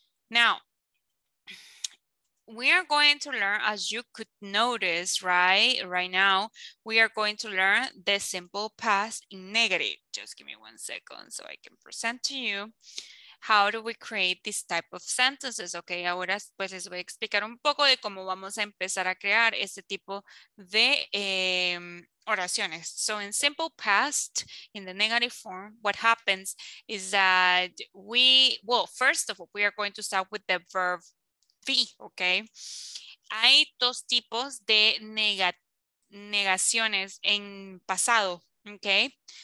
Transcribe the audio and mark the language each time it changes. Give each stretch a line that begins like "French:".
English: Now, we are going to learn, as you could notice, right now, we are going to learn the simple past in negative. Just give me 1 second so I can present to you how do we create this type of sentences.
Spanish: Okay, ahora pues les voy a explicar un poco de cómo vamos a empezar a crear este tipo de oraciones.
English: So in simple past, in the negative form, what happens is that first of all, we are going to start with the verb be, okay?
Spanish: Hay dos tipos de negaciones en pasado, okay?